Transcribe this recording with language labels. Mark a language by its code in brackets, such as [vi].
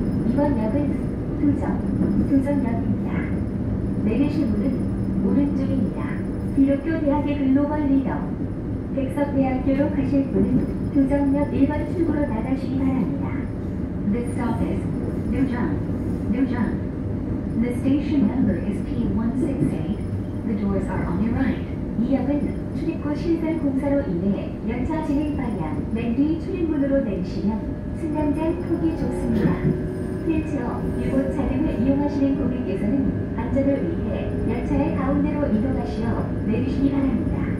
[ko] 이번 역은 두정역입니다. 내리실 문은 오른쪽입니다. 기독교 대학의 글로벌 리더 백석대학교로 가실 분은 두정역 1번 출구로 나가시기 바랍니다. [en] The stop is 두정. 두정. The station number is T168. The doors are on your right. [ko] 이 역은 출입구 실패 공사로 인해 열차 진행 방향 맨 뒤 출입문으로 내리시면 승강장 크기 좋습니다. 휠체어, 유보 차량을 이용하시는 고객께서는 안전을 위해 열차의 가운데로 이동하시어 내리시기 바랍니다.